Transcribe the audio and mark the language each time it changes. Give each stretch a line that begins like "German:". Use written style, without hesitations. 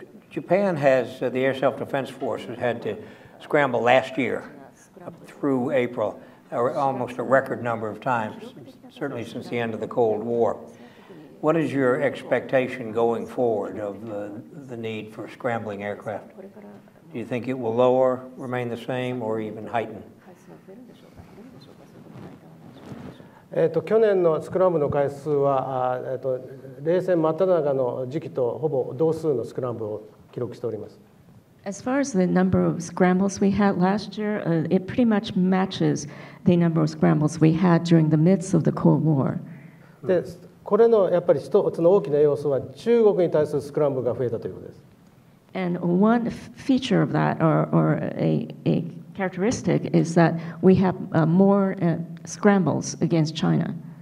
English: Japan has, the Air Self-Defense Force has had to scramble last year through April, almost a record number of times, certainly since the end of the Cold War. What is your expectation going forward of the need for scrambling aircraft? Do you think it will lower, remain the same, or even heighten?
Japanese: 去年のスクランブルの回数は、冷戦真っ只中の時期とほぼ同数のスクランブルを記録しております。
English: As far as the number of scrambles we had last year, it pretty much matches the number of scrambles we had during the midst of the Cold War.
Japanese: で、これのやっぱり一つの大きな要素は中国に対するスクランブルが増えたということです。
English: And one feature of that, or a characteristic, is that we have more scrambles against China.